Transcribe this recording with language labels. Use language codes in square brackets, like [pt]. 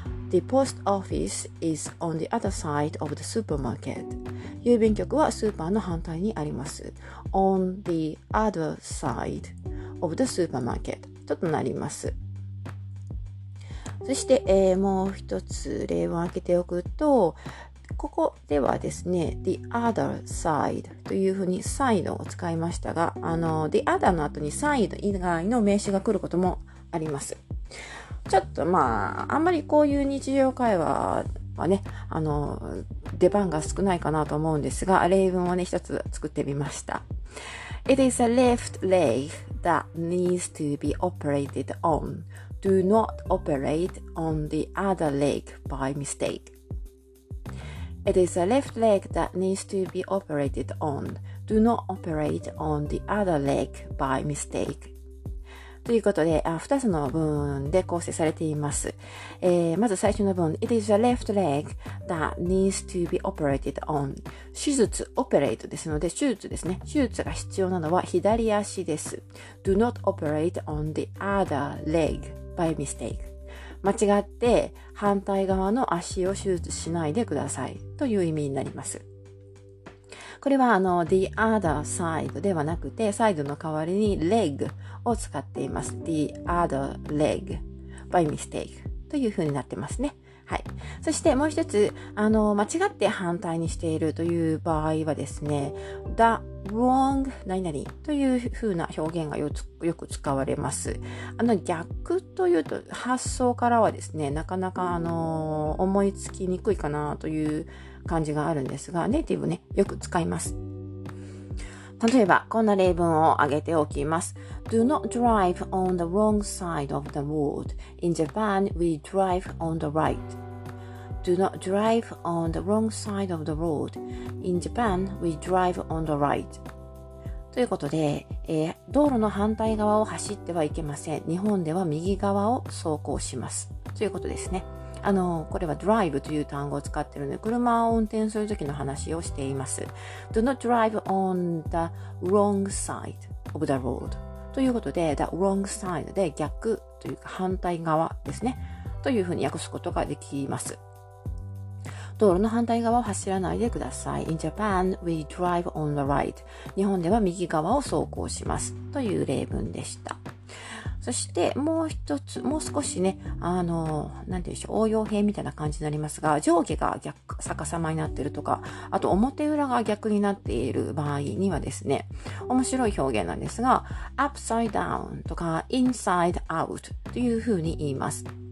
[en] The post office is on the other side of the supermarket. [ja] 郵便局はスーパーの反対にあります。 [en] On the other side of the supermarket. [ja] ちょっとなります。そして、もう一つ例文を開けておくと、ここではですね、 [en] the other [ja] side というふうに side を使いましたが、the other の後に side 以外の名詞が来ることもあります。ちょっとあんまりこういう日常会話はね、出番が少ないかなと思うんですが、例文をね、一つ作ってみました。 [en] It is a left leg that needs to be operated on. Do not operate on the other leg by mistake. It is a left leg that needs to be operated on. Do not operate on the other leg by mistake. [ja] ということで、2つの文で構成されています。まず最初の文、 [en] It is a left leg that needs to be operated on. [ja] 手術、operate ですので、手術ですね。手術が必要なのは左足です。 [en] Do not operate on the other leg by mistake. [ja] 間違って反対側の足を手術しないでくださいという意味になります。これは [en] the other side [ja] ではなくて、サイドの代わりに leg を使っています。 [en] the other leg by mistake [ja] という風になってますね。はい。そしてもう一つ、間違って反対にしているという場合はですね、 [en] the wrong [ja] 何々という風な表現がよく使われます。逆というと発想からはですね、なかなか思いつきにくいかなという感じがあるんですが、ネイティブね、よく使います。例えば、こんな例文を挙げておきます。 [en] Do not drive on the wrong side of the road. In Japan, we drive on the right. Do not drive on the wrong side of the road. In Japan, we drive on the right. [ja] ということで、道路の反対側を走ってはいけません。日本では右側を走行します。ということですね。これはドライブという単語を使っているので、車を運転するときの話をしています。 [en] Do not drive on the wrong side of the road. [ja] ということで、 [en] the wrong side [ja] で逆というか反対側ですね。というふうに訳すことができます。道路の反対側を走らないでください。 [en] In Japan, we drive on the right. [ja] 日本では右側を走行します。という例文でした。そしてもう一つ、もう少しね、なんていうでしょう、応用編みたいな感じになりますが、上下が逆逆さまになっているとか、あと表裏が逆になっている場合にはですね、面白い表現なんですが、 [en] upside down [ja] とか [en] inside out [ja] というふうに言います。